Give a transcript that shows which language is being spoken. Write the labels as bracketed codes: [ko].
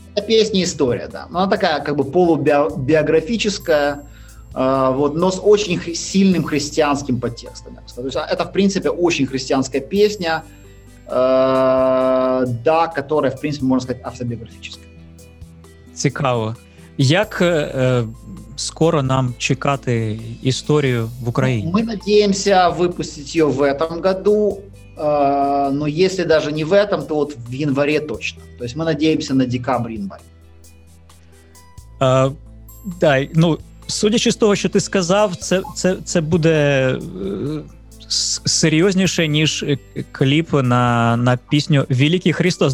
[ru] Это песня «История», да. Она такая, как бы, полубиографическая, вот, но с очень сильным христианским подтекстом. То есть это, в принципе, очень христианская песня, да, которая, в принципе, можно сказать, автобиографическая. [uk] Цікаво. Як скоро нам чекати «Історію» в Україні? Ми надіємося випустити її [ru] в этом году, но если даже не в этом, то вот в январе точно. То есть мы надеемся на декабрь-январь. [uk] Да, ну, судячи з того, що ти сказав, це буде серйозніше, ніж кліп на пісню «Великий Христос».